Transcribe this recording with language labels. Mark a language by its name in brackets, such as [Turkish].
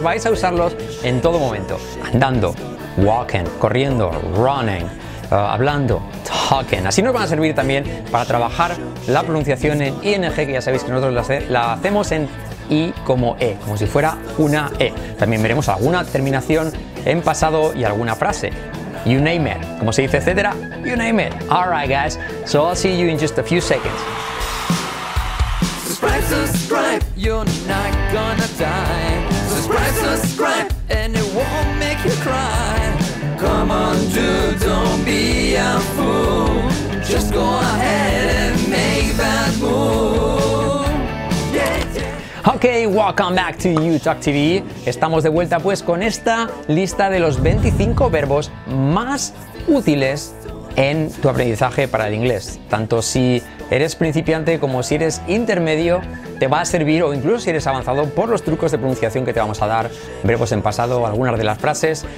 [Spanish] Vais a usarlos en todo momento: andando, walking, corriendo, running, hablando, talking. Así nos van a servir también para trabajar la pronunciación en ING, que ya sabéis que nosotros la hacemos en I como E, como si fuera una E. También veremos alguna terminación en pasado y alguna frase. [English] You name it, [Spanish] como se dice, etcétera. [English] You name it. All right, guys. So I'll see you in just a few seconds. Subscribe, subscribe. You're not gonna die. Subscribe, subscribe. And it won't make you cry. Come on, dude, don't be a fool. Just go ahead and make that move. Yeah, yeah. Okay, welcome back to YouTalk TV. [Spanish] Estamos de vuelta, pues, con esta lista de los 25 verbos más útiles en tu aprendizaje para el inglés. Tanto si eres principiante como si eres intermedio, te va a servir, o incluso si eres avanzado, por los trucos de pronunciación que te vamos a dar, verbos en pasado, algunas de las frases.